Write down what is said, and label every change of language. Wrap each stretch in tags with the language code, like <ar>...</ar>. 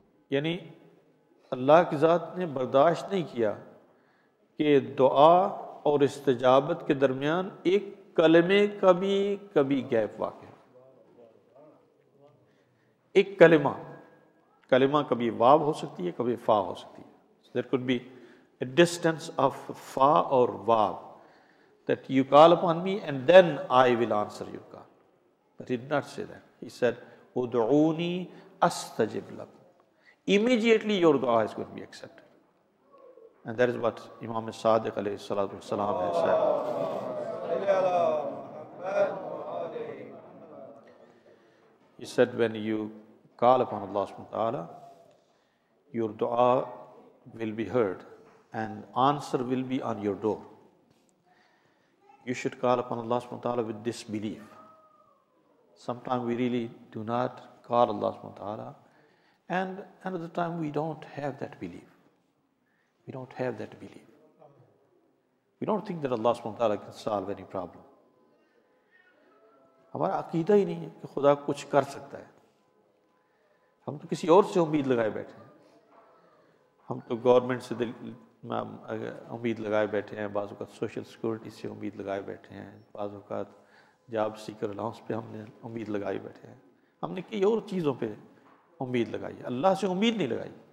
<ur>یعنی اللہ کی ذات نے برداشت نہیں کیا کہ دعا اور استجابت کے درمیان ایک کلمے کا بھی کبھی گیپ واقع ہے. ایک کلمہ, کلمہ کبھی واو ہو سکتی ہے, کبھی فا ہو سکتی ہے.</ur> <en>There could be a distance of</en> <ur>فا اور واو,</ur> <en>that you call upon me and then I will answer you. But he did not say that. He said,</en> <ar>Ud'uni astajib lakum.</ar> <en>Immediately your dua is going to be accepted. And that is what Imam Sadiq alayhi salatu wasalam has said. He said, when you call upon Allah subhanahu wa ta'ala, your dua will be heard and answer will be on your door. You should call upon Allah subhanahu wa ta'ala with disbelief. Sometimes we really do not call Allah subhanahu wa ta'ala, and another time we don't have that belief. We don't have that belief. We don't think that Allah subhanahu wa ta'ala can solve any problem.</en> <ur>ہمارا عقیدہ ہی نہیں ہے کہ خدا کچھ کر سکتا ہے. ہم تو کسی اور سے امید لگائے بیٹھے ہیں, ہم تو گورنمنٹ سے امید لگائے بیٹھے ہیں, بعض اوقات سوشل سیکورٹی سے امید لگائے بیٹھے ہیں, بعض اوقات جاب سیکر الاؤنس پہ ہم نے امید لگائے بیٹھے ہیں, ہم نے کئی اور چیزوں پہ امید لگائی ہے, اللہ سے امید نہیں لگائی.</ur>